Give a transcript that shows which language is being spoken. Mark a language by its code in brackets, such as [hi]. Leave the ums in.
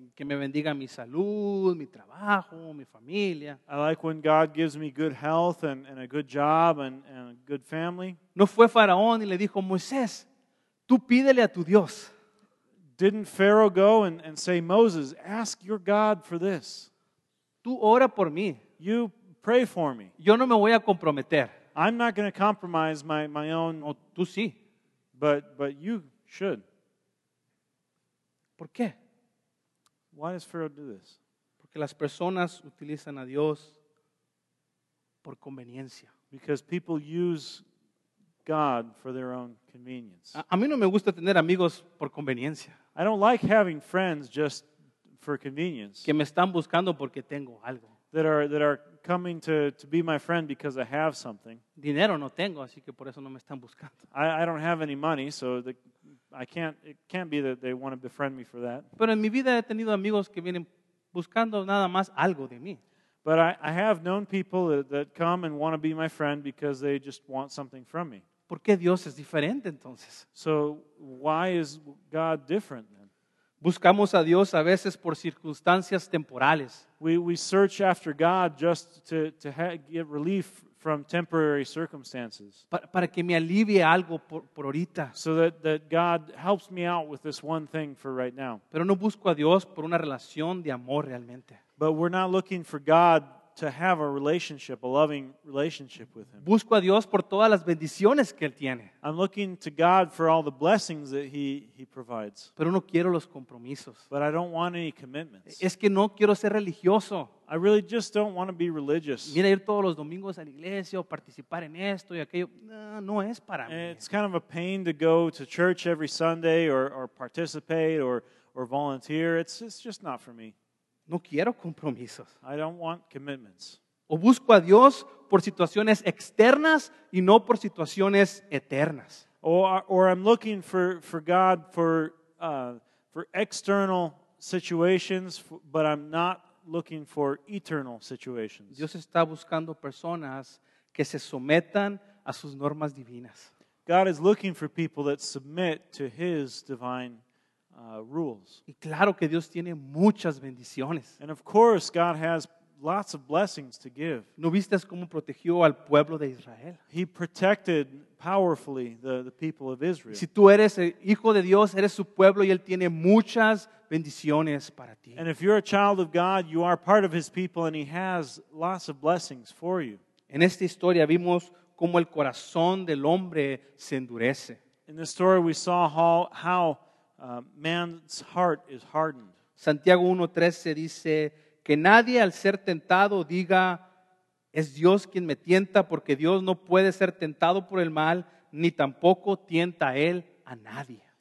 [es] Que me bendiga mi salud, mi trabajo, mi familia. [en] I like when God gives me good health and, and a good job and, and, a good family. [es] No fue Faraón y le dijo, Moisés, tú pídele a tu Dios. [en] Didn't Pharaoh go and, and, say, Moses, ask your God for this. [es] Tú ora por mí. [en] You pray for me. [es] Yo no me voy a comprometer. [en] I'm not going to compromise my, my own. Oh, [es] sí. [en] But, but you should. [es] ¿Por qué? [en] Why does Pharaoh do this? [es] Porque las personas utilizan a Dios por conveniencia. [en] Because people use God for their own convenience. [es] a, a mí no me gusta tener amigos por conveniencia. [en] I don't like having friends just for convenience. [es] Que me están buscando porque tengo algo. [en] That are, that are coming to, to be my friend because I have something. [es] Dinero no tengo, así por eso no me están buscando. [en] I, I don't have any money, so the, I can't, it can't be that they want to befriend me for that. [es] Pero en mi vida he tenido amigos que vienen buscando nada más algo de mí. [en] But I, I have known people that, that come and want to be my friend because they just want something from me. [es] ¿Por Dios es diferente entonces? [en] So why is God different [es] Buscamos a Dios a veces por circunstancias temporales. [en] We, we search after God just to, to get relief from temporary circumstances. [es] Para, para que me alivie algo por, por ahorita. [en] So that, that God helps me out with this one thing for right now. [es] Pero no busco a Dios por una relación de amor realmente. [en] But we're not looking for God to have a relationship, a loving relationship with him. I'm looking to God for all the blessings that he, he provides. No but I don't want any commitments. [es] Es que no [en] I really just don't want to be religious. Mira ir todos los domingos a la iglesia o participar en esto y aquello, no, no es para It's kind of a pain to go to church every Sunday or, or participate or, or volunteer. It's, it's just not for me. [es] No quiero compromisos. [en] I don't want commitments. [es] O busco a Dios por situaciones externas y no por situaciones eternas. [en] Or, or I'm looking for, for God for, uh, for external situations, but I'm not looking for eternal situations. [es] Dios está buscando personas que se sometan a sus normas divinas. [en] God is looking for people that submit to his divine uh, rules. [es] Claro [en] and of course, God has lots of blessings to give. [es] ¿No vistes cómo protegió [en] He protected powerfully the, the people of Israel. [es] Si Dios, [en] and if you're a child of God, you are part of his people and he has lots of blessings for you. In this story we saw how, how man's heart is hardened. [es] Santiago 1:13 dice que nadie al ser tentado diga es Dios quien me tienta porque Dios no puede ser tentado por el mal ni tampoco tienta a él a nadie.